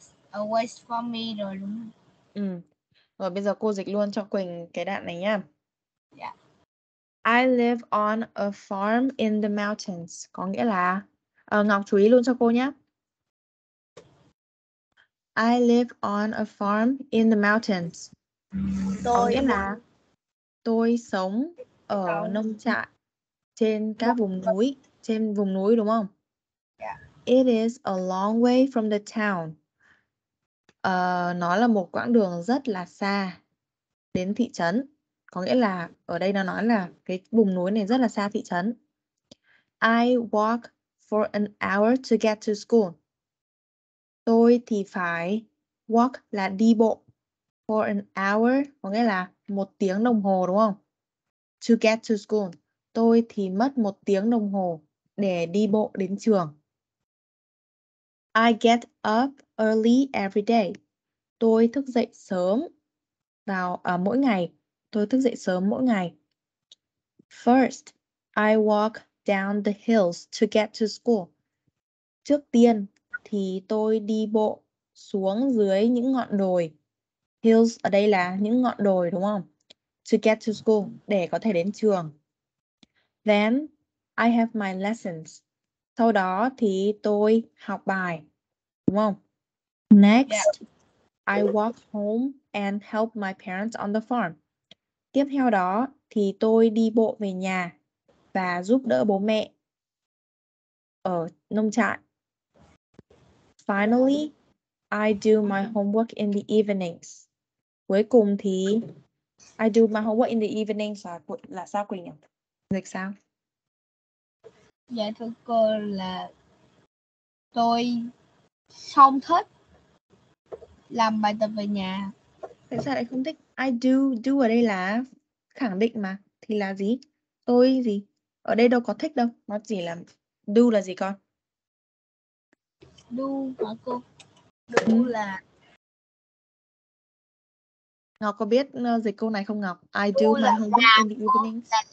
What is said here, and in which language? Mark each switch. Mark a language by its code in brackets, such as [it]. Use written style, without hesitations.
[en] Away from me [vi] rồi đúng không? Ừ. Rồi bây giờ cô dịch luôn cho Quỳnh cái đoạn này nhá. [en] Yeah. I live on a farm in the mountains. [vi] Có nghĩa là Ngọc chú ý luôn cho cô nhé. [en] I live on a farm in the mountains. [vi] Tôi sống ở nông trại trên các vùng núi, trên vùng núi đúng không? [en] Yeah. It is a long way from the town. [vi] Nó là một quãng đường rất là xa đến thị trấn. Có nghĩa là ở đây nó nói là cái vùng núi này rất là xa thị trấn. [en] I walk for an hour to get to school. [vi] Tôi thì phải [en] walk [vi] là đi bộ. [en] For an hour [vi] có nghĩa là một tiếng đồng hồ đúng không? [en] To get to school. [vi] Tôi thì mất một tiếng đồng hồ để đi bộ đến trường. [en] I get up early every day. [vi] Tôi thức dậy sớm vào mỗi ngày. Tôi thức dậy sớm mỗi ngày. [en] First, I walk down the hills to get to school. [vi] Trước tiên thì tôi đi bộ xuống dưới những ngọn đồi. Hills ở đây là những ngọn đồi đúng không? [en] To get to school, [vi] để có thể đến trường. [en] Then, I have my lessons. [vi] Sau đó thì tôi học bài, đúng không? [en] Next, yeah. I walk home and help my parents on the farm. [vi] Tiếp theo đó thì tôi đi bộ về nhà và giúp đỡ bố mẹ ở nông trại. [en] Finally, I do my homework in the evenings. [vi] Cuối cùng thì [en] I do my homework in the evenings [vi] là sao Quỳnh nhỉ? Dịch sao? Dạ thưa cô là tôi không thích làm bài tập về nhà. Tại sao lại không thích? [en] I do, [vi] do ở đây là khẳng định mà. Thì là gì? Tôi gì? Ở đây đâu có thích đâu. Nó chỉ là, do là gì con? Do hả cô? Do là... Ngọc có biết dịch câu này không Ngọc? [en] I do, do my homework in the evenings.